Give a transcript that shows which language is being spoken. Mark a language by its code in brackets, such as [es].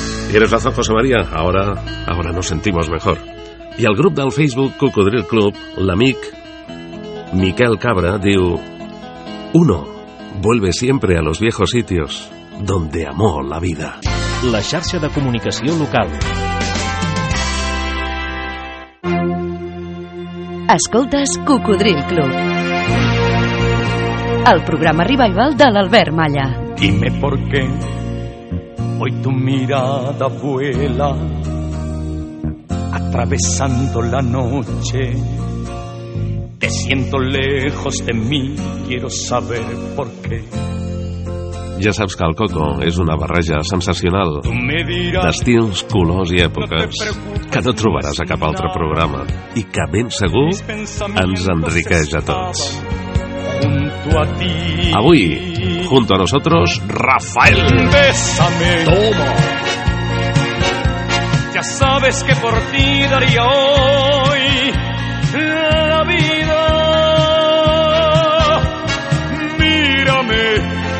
[es] Tienes razón, José María. Ahora nos sentimos mejor. Y [ca] al grup del Facebook Cocodril Club, l'amic Miquel Cabra diu: [es] uno vuelve siempre a los viejos sitios donde amó la vida. [ca] La xarxa de comunicació local. Escoltes Cocodril Club. El programa revival de l'Albert Malla. [es] Dime por qué hoy tu mirada vuela atravesando la noche. Te siento lejos de mí, quiero saber por qué. [ca] Ja saps que el Coco és una barreja sensacional d'estils, colors i èpoques que no trobaràs a cap altre programa i que ben segur ens enriqueix a tots. Avui, [es] junto a nosotros, Rafael. Bésame. Toma. Ya sabes que por ti daría hoy la vida. Mírame.